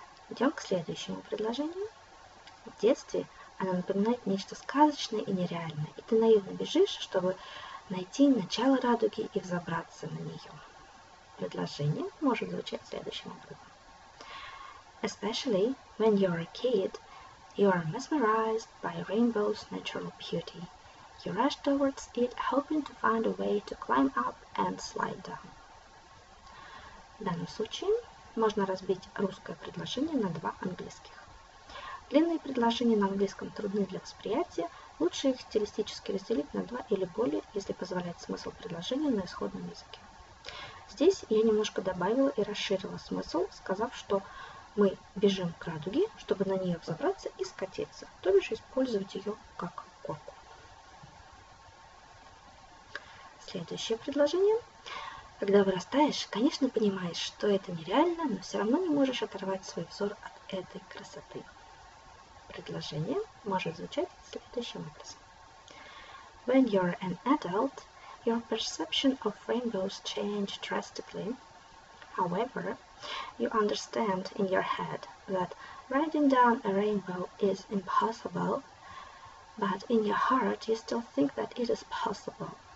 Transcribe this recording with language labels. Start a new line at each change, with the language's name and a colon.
Russian: Идем к следующему предложению. В детстве она напоминает нечто сказочное и нереальное, и ты наивно бежишь, чтобы найти начало радуги и взобраться на нее. Предложение может звучать следующим образом.
English: Especially when you're a kid, you are mesmerized by rainbow's natural beauty. You rush towards it, hoping to find a way to climb up and slide down.
Russian: В данном случае можно разбить русское предложение на два английских. Длинные предложения на английском трудны для восприятия. Лучше их стилистически разделить на два или более, если позволяет смысл предложения на исходном языке. Здесь я немножко добавила и расширила смысл, сказав, что мы бежим к радуге, чтобы на нее взобраться и скатиться, то бишь использовать ее как горку. Следующее предложение. Когда вырастаешь, конечно, понимаешь, что это нереально, но все равно не можешь оторвать свой взор от этой красоты. Предложение может звучать следующим образом.
English: When you're an adult, your perception of rainbows change drastically. However, you understand in your head that writing down a rainbow is impossible, but in your heart you still think that it is possible.